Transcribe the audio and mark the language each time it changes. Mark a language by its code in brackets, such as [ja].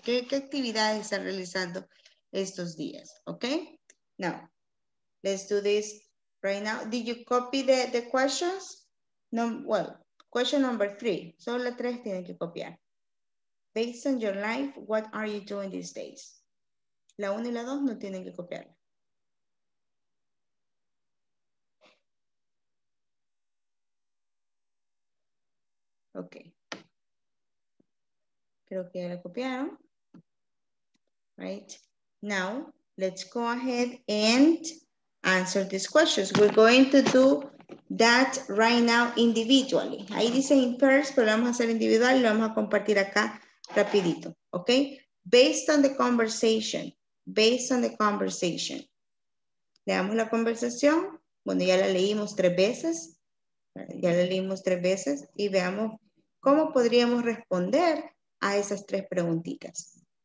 [es] ¿Qué actividades están realizando estos días? Okay? [en] Now, let's do this. Right now, did you copy the questions? [es] No, [en] well, question number three. [es] Solo la tres tienen que copiar. [en] Based on your life, what are you doing these days? [es] La uno y la dos no tienen que copiar. [en] Okay. [es] Creo que ya la copiaron. Right. [en] Now, let's go ahead and answer these questions. We're going to do that right now individually. [es] Ahí dice in pairs, pero lo vamos a hacer individual y lo vamos a compartir acá rapidito. [en] Okay? Based on the conversation. Based on the conversation. [es] Leamos la conversación. Bueno, ya la leímos tres veces. Ya la leímos tres veces y veamos cómo podríamos responder a esas tres preguntitas.